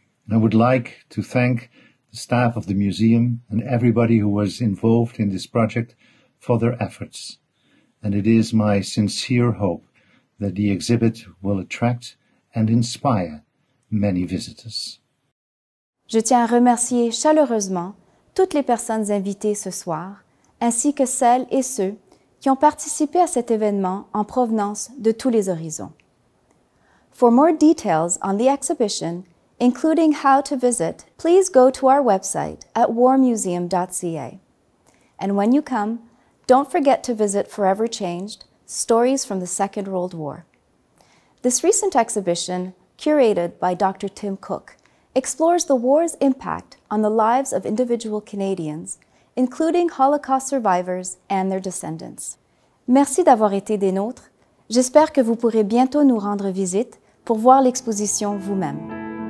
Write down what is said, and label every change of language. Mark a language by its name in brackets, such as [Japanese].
[English] I would like to thank the staff of the museum and everybody who was involved in this project for their efforts. And it is my sincere hope that the exhibit will attract and inspire many visitors. [French] Je tiens à remercier chaleureusement toutes les personnes invitées ce soir, ainsi que celles et ceux qui ont participé à cet événement en provenance de tous les horizons. [English] For more details on the exhibition, including how to visit, please go to our website at warmuseum.ca. And when you come, don't forget to visit Forever Changed, Stories from the Second World War. This recent exhibition, curated by Dr. Tim Cook, explores the war's impact on the lives of individual Canadians, including Holocaust survivors and their descendants. [French] Merci d'avoir été des nôtres. J'espère que vous pourrez bientôt nous rendre visite pour voir l'exposition vous-même.